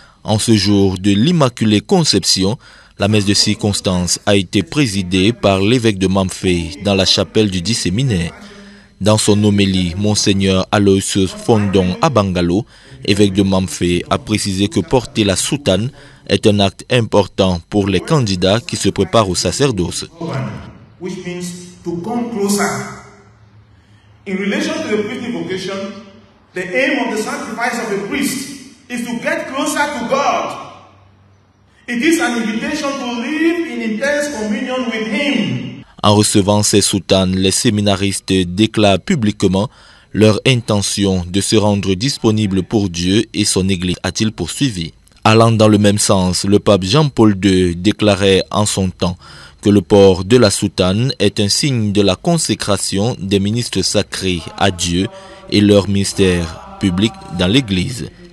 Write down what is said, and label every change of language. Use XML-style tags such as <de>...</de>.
<fr>En ce jour de l'Immaculée Conception, la messe de circonstance a été présidée par l'évêque de Mamfe dans la chapelle du dit séminaire. Dans son homélie, Mgr Aloysius Fondon Abangalo, évêque de Mamfe, a précisé que porter la soutane est un acte important pour les candidats qui se préparent au sacerdoce.</fr> <en>Which means to come closer. In relation to the priestly vocation, the aim of the sacrifice of a priest is to get closer to God. It is an invitation to live in intense communion with Him.</en> <fr>En recevant ces soutanes, les séminaristes déclarent publiquement leur intention de se rendre disponible pour Dieu et son Église, a-t-il poursuivi. Allant dans le même sens, le pape Jean-Paul II déclarait en son temps que le port de la soutane est un signe de la consécration des ministres sacrés à Dieu et leur ministère public dans l'Église.</fr>